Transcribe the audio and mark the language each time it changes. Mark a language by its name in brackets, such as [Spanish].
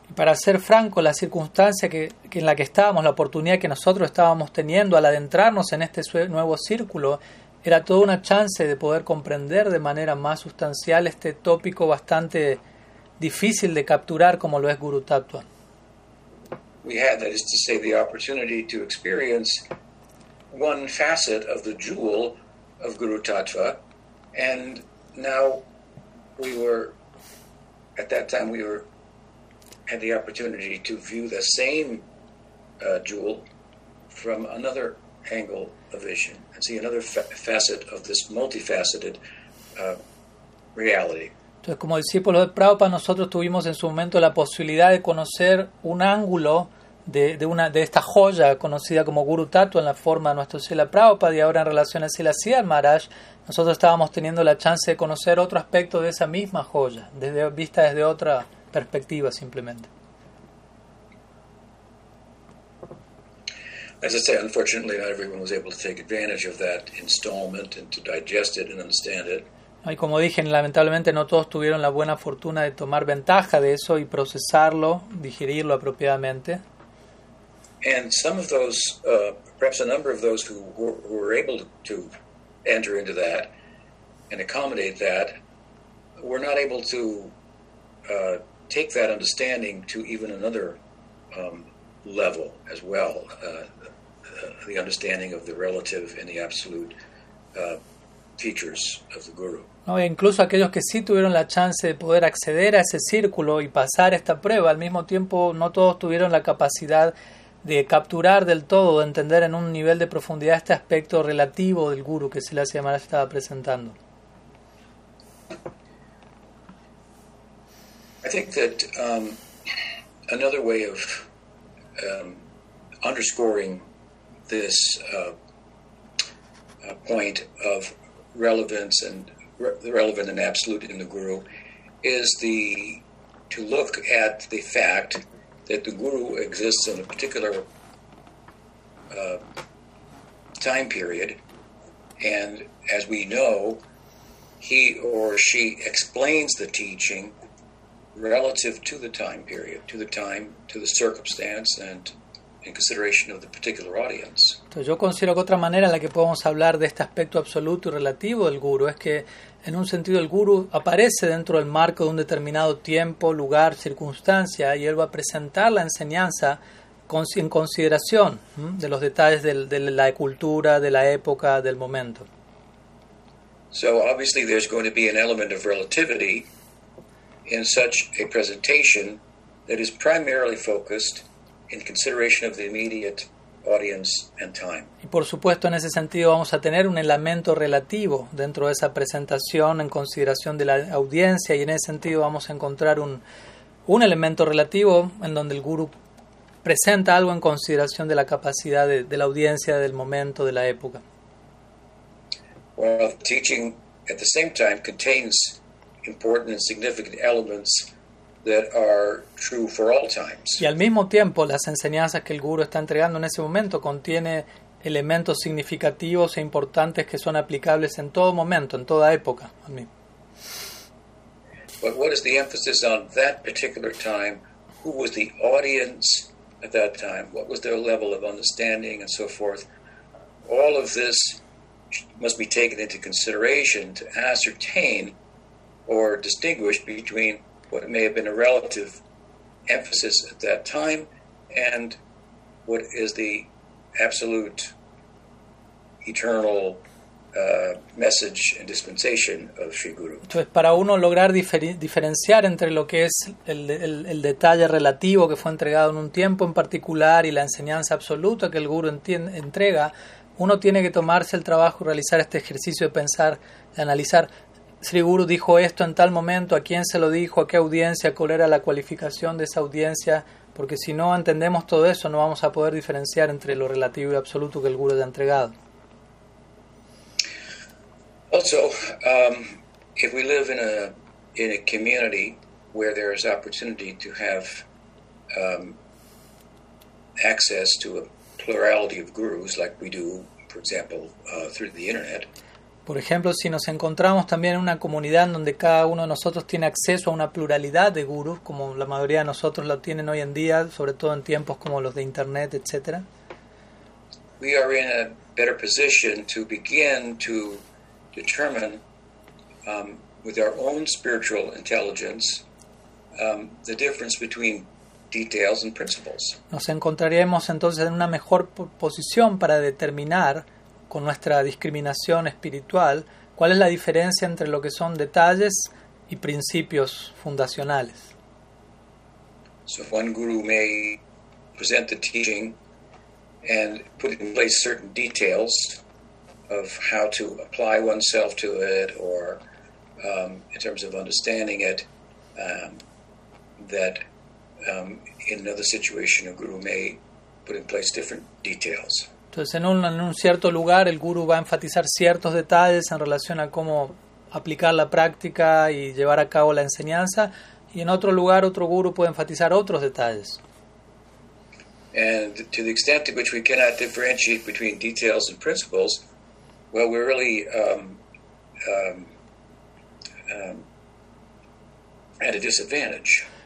[Spanish] Para ser franco, la circunstancia que en la que estábamos, la oportunidad que nosotros estábamos teniendo al adentrarnos en este nuevo círculo, era toda una chance de poder comprender de manera más sustancial este tópico bastante difícil de capturar como lo es Guru Tattva. [English] We had, that is to say, the opportunity to experience one facet of the jewel of Guru Tattva, and now we were, at that time we were, had the opportunity to view the same jewel from another angle of vision and see another facet of this multifaceted reality. [Spanish] Entonces, como discípulos de Prabhupada, nosotros tuvimos en su momento la posibilidad de conocer un ángulo de esta joya conocida como Guru Tattva en la forma de nuestro Srila Prabhupada, y ahora en relación a Srila Siddhar Maharaj, nosotros estábamos teniendo la chance de conocer otro aspecto de esa misma joya, vista desde otra perspectiva simplemente. [English] As I said, unfortunately, not everyone was able to take advantage of that installment and to digest it and understand it. [Spanish] Y como dije, lamentablemente no todos tuvieron la buena fortuna de tomar ventaja de eso y procesarlo, digerirlo apropiadamente. [English] And some of those, perhaps a number of those who were able to enter into that and accommodate that, were not able to take that understanding to even another level as well, the understanding of the relative and the absolute features of the Guru. [Spanish] No, incluso aquellos que sí tuvieron la chance de poder acceder a ese círculo y pasar esta prueba, al mismo tiempo no todos tuvieron la capacidad de capturar del todo, de entender en un nivel de profundidad este aspecto relativo del Guru que Srila Siddhar Maharaj estaba presentando. [English] I think that another way of underscoring this point of relevance and the relevant and absolute in the Guru is to look at the fact that the Guru exists in a particular time period, and as we know, he or she explains the teaching relative to the time period, to the time, to the circumstance, and in consideration of the particular audience. [Spanish] Entonces, yo considero que otra manera en la que podemos hablar de este aspecto absoluto y relativo del Guru es que, en un sentido, el Guru aparece dentro del marco de un determinado tiempo, lugar, circunstancia, y él va a presentar la enseñanza en consideración de los detalles de la cultura, de la época, del momento. [English] So, obviously, there's going to be an element of relativity in such a presentation that is primarily focused in consideration of the immediate audience and time. [Spanish] Y por supuesto, en ese sentido vamos a tener un elemento relativo dentro de esa presentación en consideración de la audiencia, y en ese sentido vamos a encontrar un elemento relativo en donde el Guru presenta algo en consideración de la capacidad de la audiencia, del momento, de la época. [English] Well, the teaching at the same time contains important and significant elements that are true for all times. [Spanish] Y al mismo tiempo, las enseñanzas que el Guru está entregando en ese momento contiene elementos significativos e importantes que son aplicables en todo momento, en toda época. [English] But what is the emphasis on that particular time? Who was the audience at that time? What was their level of understanding and so forth? All of this must be taken into consideration to ascertain or distinguish between what may have been a relative emphasis at that time and what is the absolute eternal message and dispensation of Sri Guru. [Spanish] Entonces, para uno lograr diferenciar entre lo que es el detalle relativo que fue entregado en un tiempo en particular y la enseñanza absoluta que el Guru entrega, uno tiene que tomarse el trabajo y realizar este ejercicio de pensar, de analizar. Sri Guru dijo esto en tal momento, ¿a quién se lo dijo, a qué audiencia, cuál era la cualificación de esa audiencia? Porque si no entendemos todo eso, no vamos a poder diferenciar entre lo relativo y absoluto que el Guru le ha entregado. [English] Also, if we live in a community where there is opportunity to have access to a plurality of gurus like we do, for example, through the internet. [Spanish] Por ejemplo, si nos encontramos también en una comunidad en donde cada uno de nosotros tiene acceso a una pluralidad de gurus, como la mayoría de nosotros lo tienen hoy en día, sobre todo en tiempos como los de internet, etc. [English] We are in a better position to begin to determine with our own spiritual intelligence the difference between details and principles. [Spanish] Nos encontraríamos entonces en una mejor posición para determinar con nuestra discriminación espiritual cuál es la diferencia entre lo que son detalles y principios fundacionales. [English] So one guru may present the teaching and put in place certain details of how to apply oneself to it, or in terms of understanding it, that in another situation a guru may put in place different details. [Spanish] Entonces, en un cierto lugar el guru va a enfatizar ciertos detalles en relación a cómo aplicar la práctica y llevar a cabo la enseñanza, y en otro lugar otro guru puede enfatizar otros detalles. [English] And to the extent to which we cannot differentiate between details and principles, well, we're really at a disadvantage.